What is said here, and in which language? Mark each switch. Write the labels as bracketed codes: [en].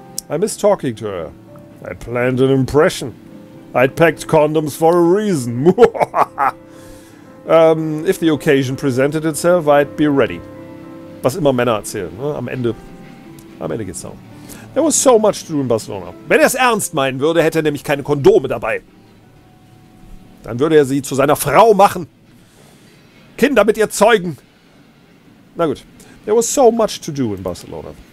[en] I miss talking to her. I planned an impression. I'd packed condoms for a reason. if the occasion presented itself, I'd be ready. [de] Was immer Männer erzählen. [en] Ne? [de] Am Ende geht's darum. [en] There was so much to do in Barcelona. [de] Wenn er es ernst meinen würde, hätte er nämlich keine Kondome dabei. Dann würde er sie zu seiner Frau machen. Kinder mit ihr zeugen. Na gut. [en] There was so much to do in Barcelona.